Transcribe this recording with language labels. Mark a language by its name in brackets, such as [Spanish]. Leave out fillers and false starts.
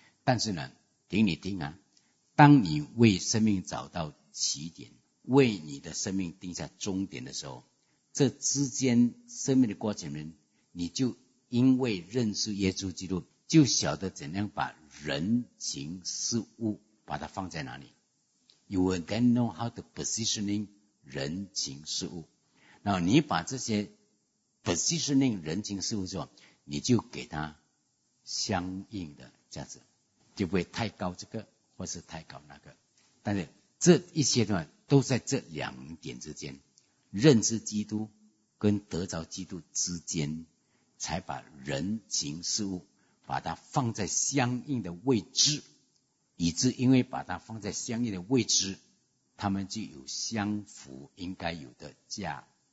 [Chinese] 但是呢，给你听啊，当你为生命找到起点，为你的生命定下终点的时候，这之间生命的过程里面，你就因为认识耶稣基督，就晓得怎样把人情事物把它放在哪里。 [English] You will then know how to positioning [Chinese] 人情事物。然后你把这些 positioning 人情事物之后，你就给它相应的价值，就不会太高这个或是太高那个。但是这一些呢，都在这两点之间，认识基督跟得着基督之间，才把人情事物把它放在相应的位置，以致因为把它放在相应的位置，他们就有相符应该有的价值。